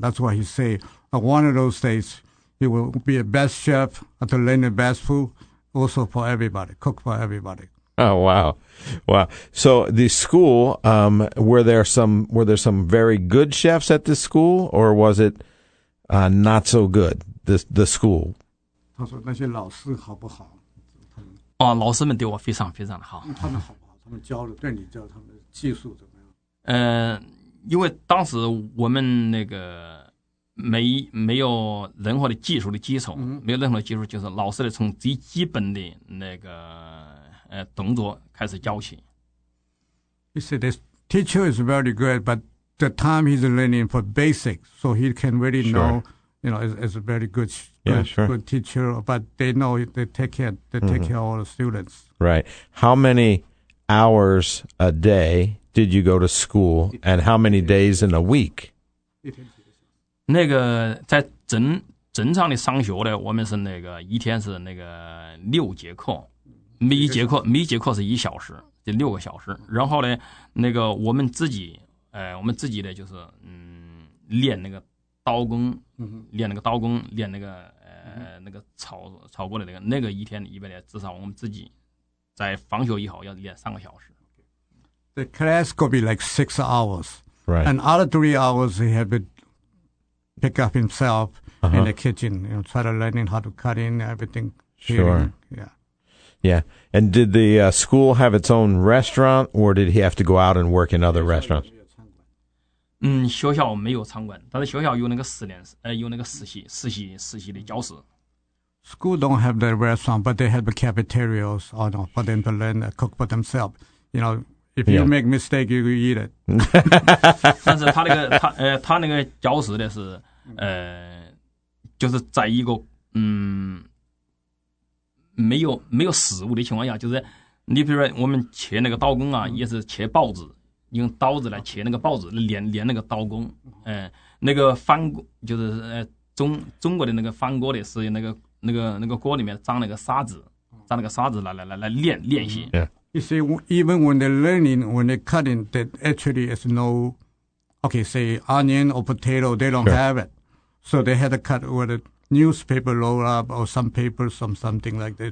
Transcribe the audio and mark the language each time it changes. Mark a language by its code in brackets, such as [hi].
[en] That's why he said, one of those days, he will be a best chef to learn the best food, also for everybody, cook for everybody. Oh, wow. Wow. So the school, were there some very good chefs at this school, or was it not so good, the school? [zh] 他说那些老师好不好？老师们对我非常非常的好。他们好不好？他们教了，对你教他们技术怎么样？因为当时我们那个没有任何的技术的基础，没有任何的技术，就是老师的从最基本的那个动作开始教起。 [en] He said this teacher is very good, but the time he's learning for basic, so he can really know, you know, is a very good teacher, but they know they take care all the students. Right. How many hours a day did you go to school, and how many days in a week? [zh] 那个在整整场的上学呢，我们是那个一天是那个六节课，每节课是一小时，就六个小时。然后呢，那个我们自己，我们自己的就是练那个刀工，练那个刀工，练那个那个炒过的那个，那个一天一般的至少我们自己在放学以后要练三个小时。 [en] The class could be like 6 hours, right? And other 3 hours he had to pick up himself in the kitchen, you know, try to learning how to cut in everything. Sure. Yeah. Yeah. And did the school have its own restaurant, or did he have to go out and work in other restaurants? [zh] 学校没有餐馆，但是学校有那个实验，有那个实习的教室。 [en] School don't have the restaurant, but they have cafeterias, you know, for them to learn to cook for themselves. You know, if you make mistake, you eat it. [zh] 但是他那个教室的是，就是在一个没有食物的情况下，就是你比如说我们切那个刀工啊，也是切报纸。用刀子来切那个报纸，练那个刀工。那个翻就是中国的那个翻锅的是那个锅里面装那个沙子，装那个沙子来练习。 [en] Yeah. You see, even when they're learning, when they're cutting, that actually is no, okay, say onion or potato, they don't have it, so they had to cut with a newspaper roll up or some paper, something like that.